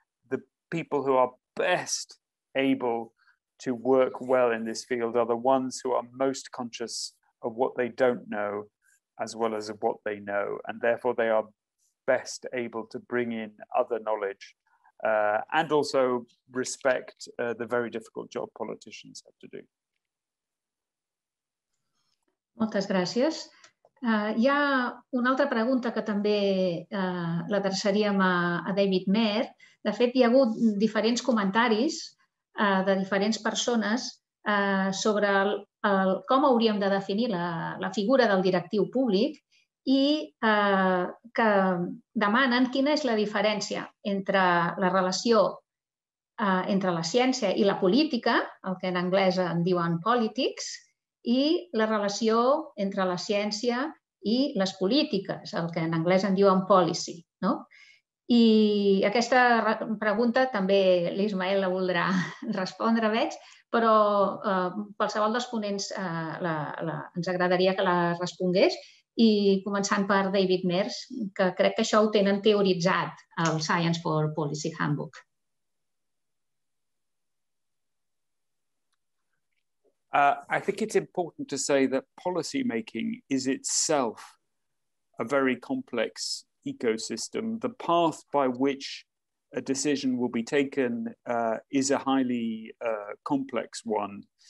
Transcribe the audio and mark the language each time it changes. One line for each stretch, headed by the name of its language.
English: The people who are best able to work well in this field are the ones who are most conscious of what they don't know as well as of what they know. And therefore, they are best able to bring in other knowledge and also respect the very difficult job politicians have to do.
Catalan: Moltes gràcies. Hi ha una altra pregunta que també l'adreçaríem a David Mer. De fet, hi ha hagut diferents comentaris de diferents persones sobre el com hauríem de definir la figura del directiu públic i que demanen quina és la diferència entre la relació entre la ciència i la política, el que en anglès en diuen politics, i la relació entre la ciència i les polítiques, el que en anglès en diuen policy, no? I aquesta pregunta també l'Ismael la voldrà respondre, veig, però qualsevol dels ponents ens agradaria que la respongués, i començant per David Mers, que crec que això ho tenen teoritzat al Science for Policy Handbook.
English: I think it's important to say that policymaking is itself a very complex ecosystem. The path by which a decision will be taken is a highly complex one.